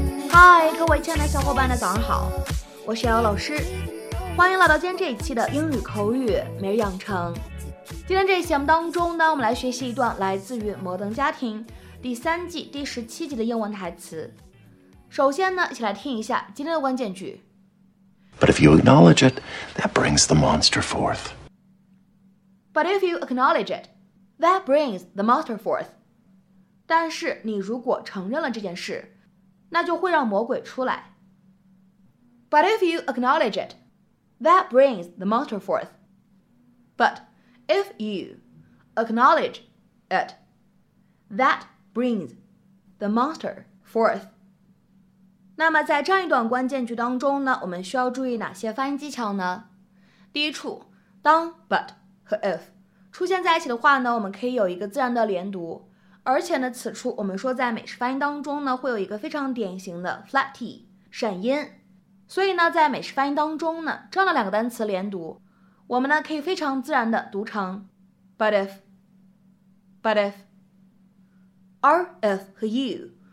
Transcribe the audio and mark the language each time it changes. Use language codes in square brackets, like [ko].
[zh] 嗨，各位亲爱的小伙伴的早上好，我是姚老师，欢迎来到今天这一期的英语口语每日养成。今天这一期节目当中呢，我们来学习一段来自于摩登家庭第三季第十七集的英文台词。首先呢，一起来听一下今天的关键句。 [en] But if you acknowledge it, that brings the monster forth. But if you acknowledge it, that brings the monster forth. [zh] 但是你如果承认了这件事，那就会让魔鬼出来。 [en] But if you acknowledge it, that brings the monster forth. But if you acknowledge it, that brings the monster forth. [zh] 那么在这样一段关键句当中呢，我们需要注意哪些发音技巧呢？第一处，当 but 和 if 出现在一起的话呢，我们可以有一个自然的连读，而且呢，此处我们说在美式发音当中呢，会有一个非常典型的 flat T 闪音，所以呢，在美式发音当中呢，这样的两个单词连读，我们呢可以非常自然的读成 [en] but if but if， [zh] 而 if 和 you。